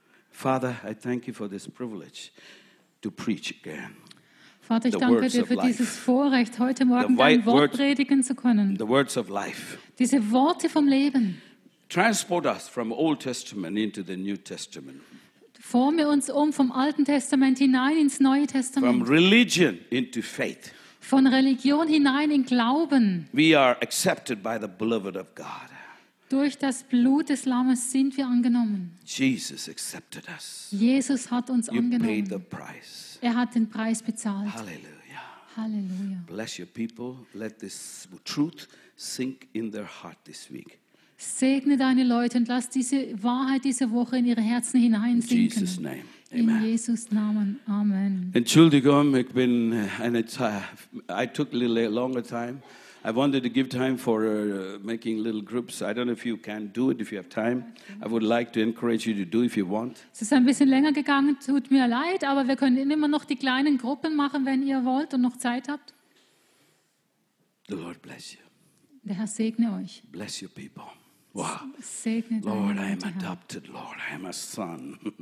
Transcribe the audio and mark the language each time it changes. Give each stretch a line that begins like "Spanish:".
English: Father, I thank you for this privilege to preach again.
German: Vater, ich danke dir für dieses Vorrecht, heute Morgen dein Wort predigen zu können.
English: The words of life.
German: Diese Worte vom Leben.
English: Transport us from Old Testament into the New Testament.
German: Forme uns vom Alten Testament hinein ins Neue Testament.
English: From religion into faith.
German: Von Religion hinein in Glauben.
English: We are accepted by the beloved of God.
German: Durch das Blut des Lammes sind wir angenommen.
English: Jesus accepted us.
German: Jesus hat uns
English: you
German: angenommen.
English: Paid the price.
German: Er hat den Preis bezahlt. Halleluja. Halleluja.
English: Bless your people. Let this truth sink in their heart this week.
German: Segne deine Leute und lass diese Wahrheit diese Woche in ihre Herzen hineinsinken.
English: In Jesus' name. Amen.
German: In Jesus' Namen. Amen. Entschuldigung, ich bin eine Zeit,
English: I took a little longer time. I wanted to give time for making little groups. I don't know if you can do it, if you have time. I would like to encourage you to do if you want.
German: Es ist ein bisschen länger gegangen, tut mir leid, aber wir können immer noch die kleinen Gruppen machen, wenn ihr wollt und noch Zeit habt.
English: The Lord bless you.
German: Der Herr segne euch.
English: Bless your people. Wow.
German: Segne
English: Lord, I am adopted, Lord. I am a son.